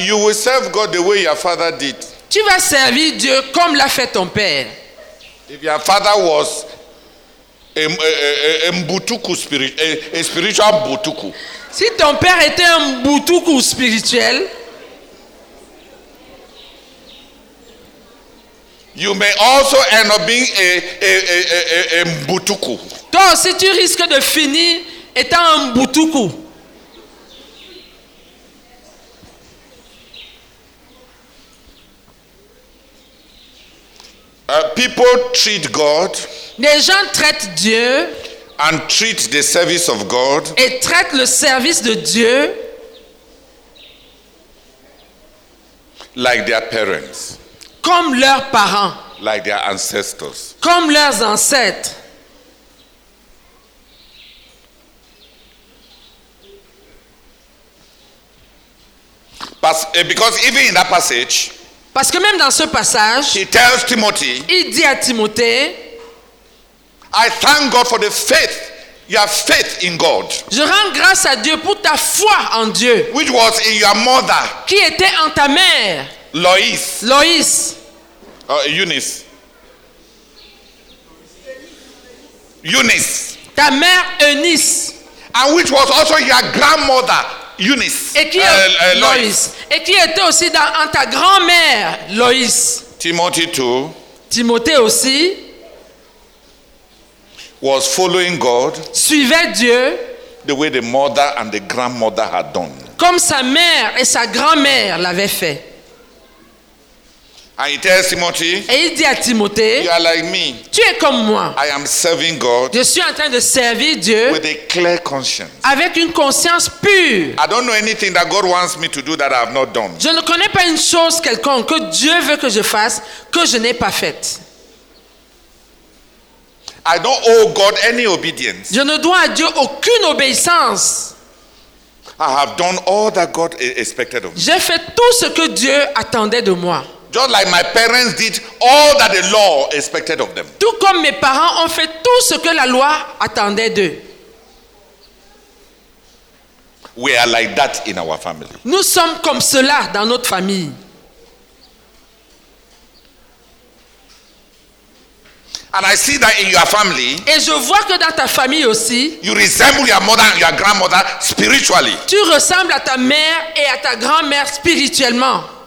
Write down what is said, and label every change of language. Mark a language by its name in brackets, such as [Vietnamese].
[English] You will serve God the way your father did. [French] Tu vas servir Dieu comme l'a fait ton père. [English] If your father was a mbutuku spirit, a spiritual mbutuku. [French] Si ton père était un mbutuku spirituel. [English] You may also end up being a mbutuku. [French] Toi aussi tu risques de finir étant un mbutuku. [English] People treat God. [French] Les gens traitent Dieu. [English] And treat the service of God. [French] Et traitent le service de Dieu. [English] Like their parents. [French] Comme leurs parents. [English] Like their ancestors. [French] Comme leurs ancêtres. [English] Because even in that passage. [French] Parce que même dans ce passage, [English] he tells Timothy, [French] il dit à Timothée, [English] I thank God for the faith, your faith in God. [French] Je rends grâce à Dieu pour ta foi en Dieu. [English] Which was in your mother. [French] Qui était en ta mère. [English] Loïs. [French] Loïs. [English] Eunice. [French] Eunice. Ta mère Eunice. [English] And which was also your grandmother. Eunice. [French] Et qui est Loïs. Et qui était aussi en ta grand-mère, Loïs. [English] Timothy too. [French] Timothée aussi. [English] Was following God. [French] Suivait Dieu. [English] The way the mother and the grandmother had done. [French] Comme sa mère et sa grand-mère l'avaient fait. [English] And he tells Timothy. [French] Et il dit à Timothée. [English] You are like me. [French] Tu es comme moi. [English] I am serving God. [French] Je suis en train de servir Dieu. [English] With a clear conscience. [French] Avec une conscience pure. [English] I don't know anything that God wants me to do that I have not done. [French] Je ne connais pas une chose quelconque que Dieu veut que je fasse que je n'ai pas faite. [English] I don't owe God any obedience. [French] Je ne dois à Dieu aucune obéissance. [English] I have done all that God expected of me. [French] J'ai fait tout ce que Dieu attendait de moi. [English] Just like my parents did all that the law expected of them. [French] Tout comme mes parents ont fait tout ce que la loi attendait d'eux. [English] We are like that in our family. [French] Nous sommes comme cela dans notre famille. [English] And I see that in your family. [French] Et je vois que dans ta famille aussi. [English] You resemble your mother and your grandmother spiritually. [French] Tu ressembles à ta mère et à ta grand-mère spirituellement.